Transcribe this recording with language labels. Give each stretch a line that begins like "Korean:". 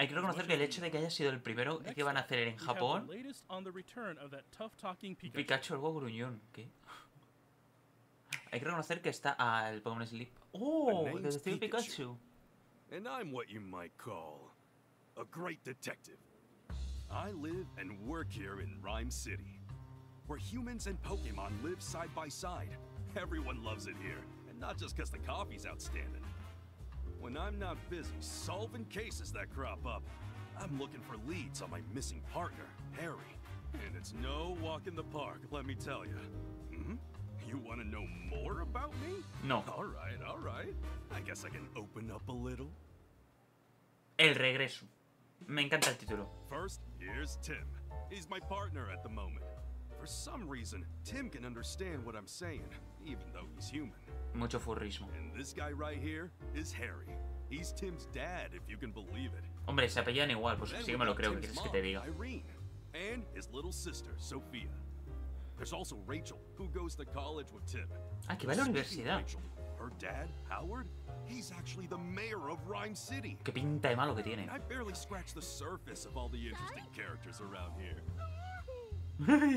Spanish: Hay que reconocer que el hecho de que haya sido el primero es que van a hacer en Japón.
English: Latest on the return of that tough-talking Pikachu.
Spanish: Pikachu algo gruñón, ¿qué? Hay que reconocer que está el Pokémon Sleep. Oh, el estilo Pikachu.
English: And I'm what you might call a great detective. I live and work here in Rhyme City, where humans and Pokémon live side by side. Everyone loves it here, and not just because the coffee's outstanding. When I'm not busy solving cases that crop up, I'm looking for leads on my missing partner, Harry. And it's no walk in the park, let me tell you. Hmm? You want to know more about me? No. All right, all right. I guess I can open up a little.
Spanish: El regreso. Me encanta el título.
English: First, here's Tim. He's my partner at the moment. For some reason, Tim can understand what I'm saying. Even though he's human.
Spanish: Mucho furrismo.
English: And this guy right here is Harry. He's Tim's dad, if you can believe it.
Spanish: Hombre, se apellan igual, pues sí que me lo creo, ¿qué quieres que te diga?
English: Irene, and his little sister, Sophia. There's also Rachel, who goes to college with Tim.
Spanish: Ah, que va a la universidad.
English: Rachel, her dad, Howard, he's actually the mayor of Rhyme City.
Spanish: Qué pinta de malo que tiene.
English: I barely scratched the surface of all the interesting characters around here.